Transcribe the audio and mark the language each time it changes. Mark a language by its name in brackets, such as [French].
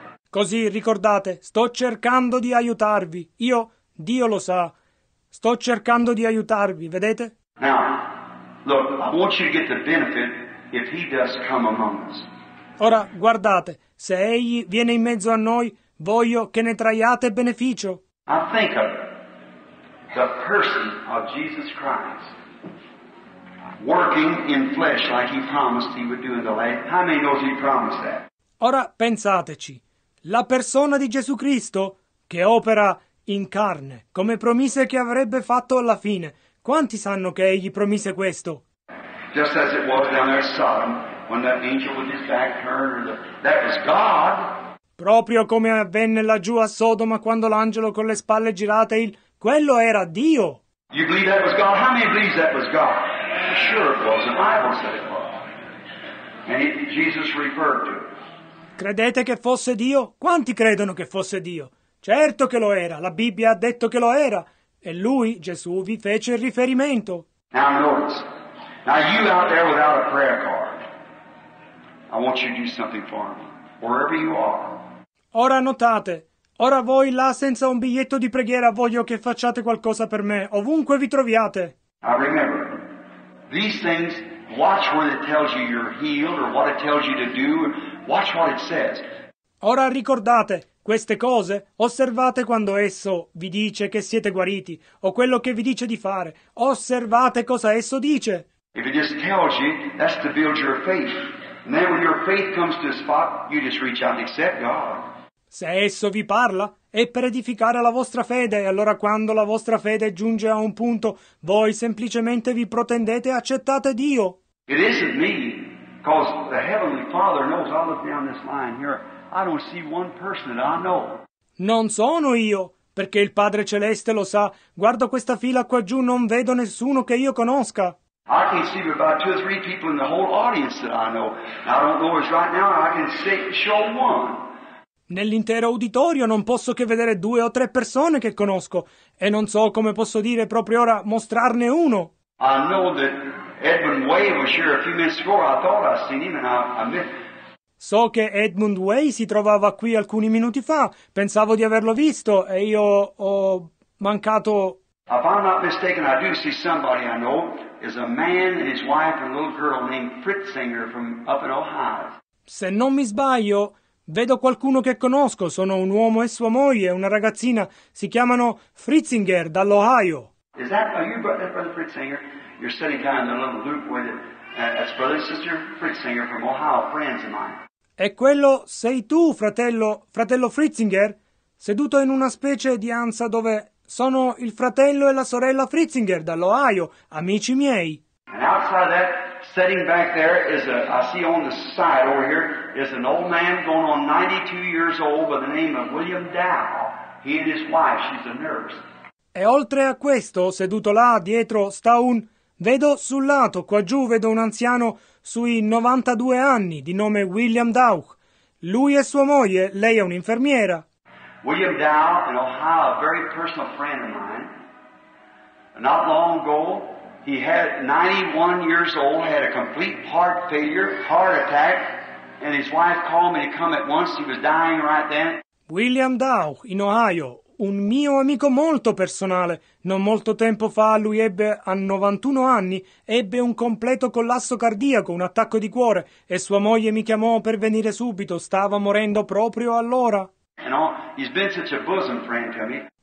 [Italian] Così, ricordate, sto cercando di aiutarvi. Io, Dio lo sa. Sto cercando di aiutarvi, vedete? [English] Now, look, I want you to get the benefit if he does come among us. [Italian] Ora, guardate, se egli viene in mezzo a noi, voglio che ne traiate beneficio. [English] I think of it. The person of Jesus Christ working in flesh like he promised he would do in the land. How many knows he promised that? [Italian] Ora pensateci. La persona di Gesù Cristo che opera in carne, come promise che avrebbe fatto alla fine. Quanti sanno che egli promise questo? [English] Just as it was down there in Sodom, when that angel with his back turned, that was God. [Italian] Proprio come avvenne laggiù a Sodoma quando l'angelo con le spalle girate il... Quello era Dio. [English] You believe that was God? How many believe that was God? Sure it was. The Bible said it was. And Jesus referred to it. [Italian] Credete che fosse Dio? Quanti credono che fosse Dio? Certo che lo era. La Bibbia ha detto che lo era. E lui, Gesù, vi fece il riferimento. [English] Now notice. Now you out there without a prayer card. I want you to do something for me. Wherever you are. [Italian] Ora notate. Ora voi là senza un biglietto di preghiera voglio che facciate qualcosa per me, ovunque vi troviate. [English] I remember, these things Watch when it tells you you're healed or what it tells you to do. Watch what it says. [Italian] Ora ricordate queste cose, osservate quando esso vi dice che siete guariti o quello che vi dice di fare. Osservate cosa esso dice. [English] If it just tells you, that's to build your faith. And then when your faith comes to a spot, you just reach out and accept God. [Italian] Se esso vi parla, è per edificare la vostra fede, e allora quando la vostra fede giunge a un punto, voi semplicemente vi protendete e accettate Dio. [English] It isn't me, because the Heavenly Father knows all of down this line here. I don't see one person that I know. [Italian] Non sono io, perché il Padre Celeste lo sa. Guardo questa fila qua giù, non vedo nessuno che io conosca. [English] I can see about two or three people in the whole audience that I know. I don't know if right now I can show one. [Italian] Nell'intero uditorio non posso che vedere due o tre persone che conosco, e non so come posso dire proprio ora mostrarne uno. [English] I know that Edmund Way was here a few minutes ago. I thought I seen him and I missed. [Italian] So che Edmund Way si trovava qui alcuni minuti fa. Pensavo di averlo visto e io ho mancato. [English] If I'm not mistaken, I do see somebody I know is a man and his wife and a little girl named Fritzinger from up in Ohio. [Italian] Se non mi sbaglio, vedo qualcuno che conosco, sono un uomo e sua moglie, una ragazzina, si chiamano Fritzinger dall'Ohio. [English] Is that are you brother, brother Fritzinger? You're sitting down in the little group with it. That's brother and sister Fritzinger from Ohio, friends of mine. [Italian] E quello sei tu, fratello Fritzinger, seduto in una specie di ansa dove sono il fratello e la sorella Fritzinger dall'Ohio, amici miei. [English] And outside that, sitting back there is a, I see on the side over here, is an old man going on 92 years old by the name of William Dow. He and his wife, she's a nurse. [Italian] E oltre a questo, seduto là dietro, sta un, vedo sul lato, qua giù vedo un anziano sui 92 anni, di nome William Dow. Lui e sua moglie, lei è un'infermiera. [English] William Dow, in Ohio, a very personal friend of mine, not long ago, he had 91 years old, had a complete heart failure, heart attack, and his wife called me to come at once. He was dying right then. [Italian] William Dow, in Ohio, un mio amico molto personale. Non molto tempo fa lui ebbe, a 91 anni, ebbe un completo collasso cardiaco, un attacco di cuore, e sua moglie mi chiamò per venire subito. Stava morendo proprio allora. [English] And all, he's been such a bosom friend to me.